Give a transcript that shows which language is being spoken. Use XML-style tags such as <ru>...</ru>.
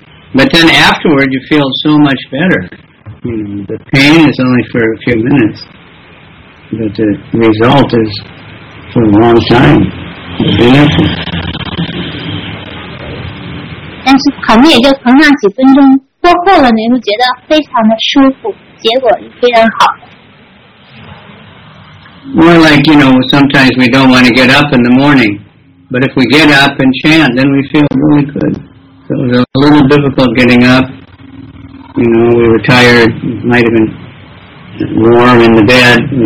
<en>But then afterward, you feel so much better. You know, the pain is only for a few minutes, but the result is for a long time. Beautiful.</en> <zh>但是疼也就疼上几分钟，过后了你会觉得非常的舒服，结果是非常好的。</zh> <en>More like, you know, sometimes we don't want to get up in the morning, but if we get up and chant, then we feel really good. So it was a little difficult getting up. You know, we were tired, it might have been warm in the bed.</en>